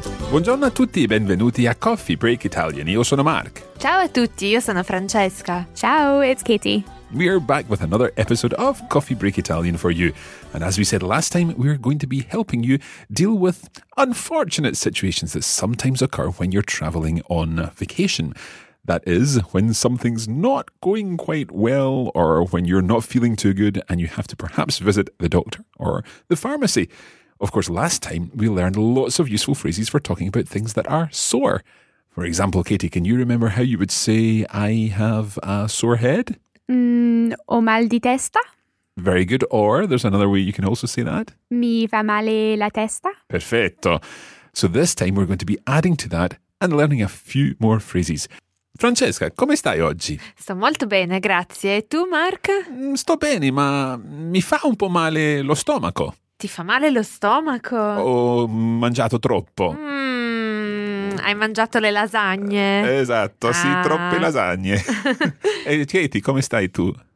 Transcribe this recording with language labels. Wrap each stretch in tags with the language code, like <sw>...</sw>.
<it>Buongiorno a tutti e benvenuti a Coffee Break Italian. Io sono Mark. Ciao a tutti, io sono Francesca.</it> <en>Ciao, it's Katie. We are back with another episode of Coffee Break Italian for you. And as we said last time, we are going to be helping you deal with unfortunate situations that sometimes occur when you're traveling on vacation. That is, when something's not going quite well or when you're not feeling too good and you have to perhaps visit the doctor or the pharmacy. Of course, last time we learned lots of useful phrases for talking about things that are sore. For example, Katie, can you remember how you would say, I have a sore head?</en> <it>O mal di testa.</it> <en>Very good. Or there's another way you can also say that.</en> <it>Mi fa male la testa. Perfetto.</it> <en>So this time we're going to be adding to that and learning a few more phrases.</en> <it>Francesca, come stai oggi? Sto molto bene, grazie. E tu, Mark? Sto bene, ma mi fa un po' male lo stomaco. Ti fa male lo stomaco? Ho mangiato troppo. Hai mangiato le lasagne. Esatto, sì, troppe lasagne. E Katie, come stai tu?</it>